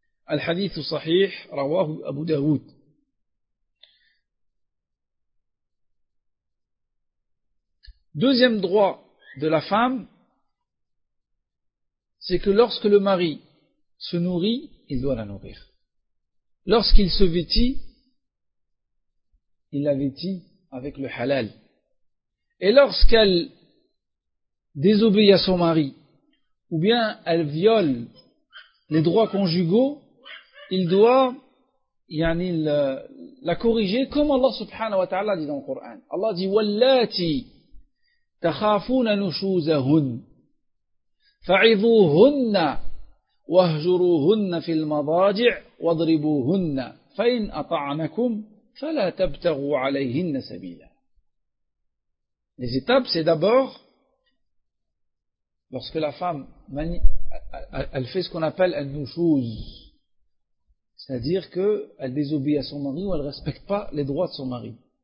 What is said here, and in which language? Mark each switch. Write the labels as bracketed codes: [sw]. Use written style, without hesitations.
[ar] الحديث صحيح رواه أبو داود. [fr] Deuxième droit de la femme, c'est que lorsque le mari se nourrit, il doit la nourrir. Lorsqu'il se vêtit, il la vêtit avec le halal. Et lorsqu'elle désobéit à son mari, ou bien elle viole les droits conjugaux, il doit la corriger comme Allah subhanahu wa ta'ala dit dans le Coran. Allah dit [ar] « Wallati تخافون نشوزهن فعظوهن واهجروهن في المضاجع واضربوهن فإن أطعنكم فلا تبتغوا عليهن سبيلا. [fr] Les étapes, c'est d'abord lorsque la femme elle fait ce qu'on appelle un nushuz, c'est-à-dire que elle désobéit à son mari ou elle respecte pas les droits de son mari.